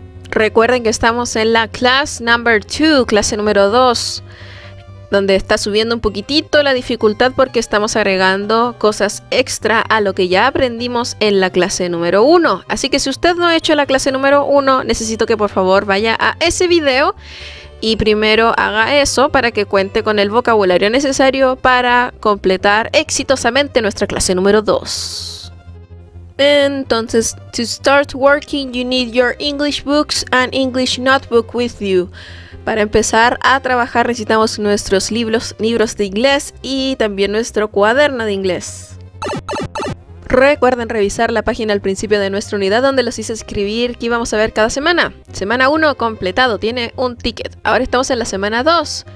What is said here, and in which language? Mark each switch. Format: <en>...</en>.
<es>Recuerden que estamos en la</es> <en>class number 2,</en> <es>clase número 2, donde está subiendo un poquitito la dificultad porque estamos agregando cosas extra a lo que ya aprendimos en la clase número 1. Así que si usted no ha hecho la clase número 1, necesito que por favor vaya a ese video y primero haga eso para que cuente con el vocabulario necesario para completar exitosamente nuestra clase número 2.</es> <en>Entonces, to start working, you need your English books and English notebook with you.</en> <es>Para empezar a trabajar, necesitamos nuestros libros de inglés y también nuestro cuaderno de inglés. Recuerden revisar la página al principio de nuestra unidad donde los hice escribir qué íbamos a ver cada semana. Semana 1 completado, tiene un ticket. Ahora estamos en la semana 2.</es>